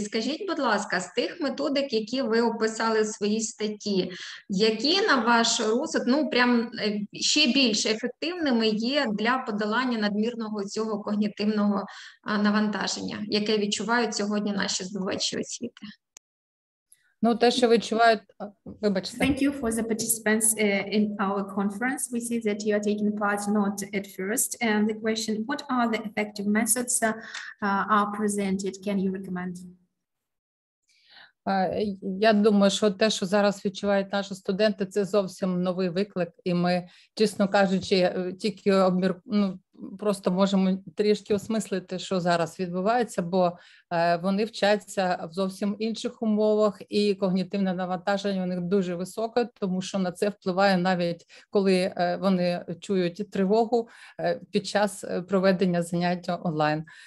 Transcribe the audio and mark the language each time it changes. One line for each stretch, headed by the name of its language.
Ukrainian: Скажіть, будь ласка, з тих методик, які ви описали в своїй статті, які на ваш розсуд, ну прям ще більш ефективними є для подолання надмірного цього когнітивного навантаження, яке відчувають сьогодні наші здобувачі освіти? Ну, те, що відчувають, вибачте.
English: Thank you for the participants in our conference. We see that you are taking part not at first. And the question, what are the effective methods are presented? Can you recommend?
Ukrainian: Я думаю, що те, що зараз відчувають наші студенти, це зовсім новий виклик. І ми, чесно кажучи, тільки просто можемо трішки осмислити, що зараз відбувається, бо вони вчаться в зовсім інших умовах, і когнітивне навантаження у них дуже високе, тому що на це впливає навіть, коли вони чують тривогу під час проведення заняття онлайн.